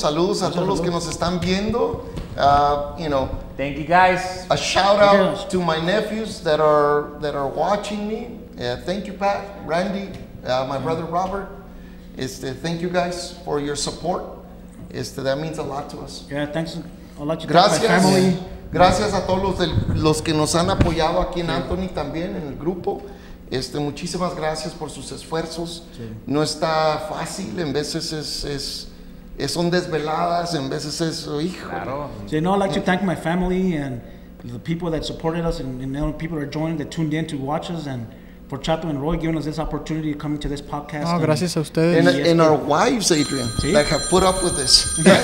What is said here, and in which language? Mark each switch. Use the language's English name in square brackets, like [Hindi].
[Spanish] Saludos a todos los que nos están viendo. [English] Thank you guys. A shout out to my nephews that are watching me. Thank you, Pat, Randy, my brother Robert. Thank you guys for your support. That means a lot to us. Yeah, thanks a lot. [Spanish] Gracias. Gracias a todos los que nos han apoyado aquí en Anthony también, en el grupo. Muchísimas gracias por sus esfuerzos. Sí. No está fácil, en veces son desveladas, en veces es, hijo. Claro. Sí, no, [English] I'd like to thank my family and the people that supported us and the people that joined, that tuned in to watch us, and for Chato and Roy giving us this opportunity to come to this podcast. [Spanish] No, gracias a ustedes. [English] And our wives, Adrian, that have put up with this.